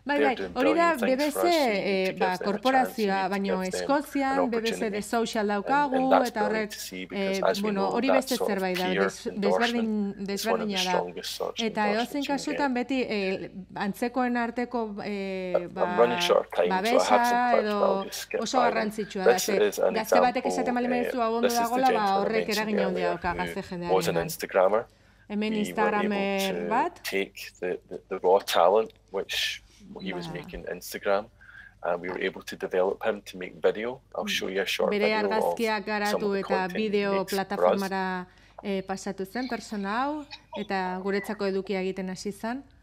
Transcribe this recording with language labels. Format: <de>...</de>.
<eu>Bai, bai, hori da BBC korporazioa, baina Eskozian BBC de social daukagu, eta horret, hori beste zerbait da, desberdina da. Eta edozen kasutan beti antzekoen arteko</eu> <en>I'm running short of time,</en> <eu>babesa,</eu> <en>so I have some parts, but I'll just skip by. This is an example. This is the gentleman I mentioned earlier, was an Instagrammer. He was able to take the raw talent, which he was making Instagram, and we were able to develop him to make video. I'll show you a short video of some of the content video he makes for us.</en> <eu>Pasatu zen pertsona hau eta guretzako edukia egiten hasi zen.</eu>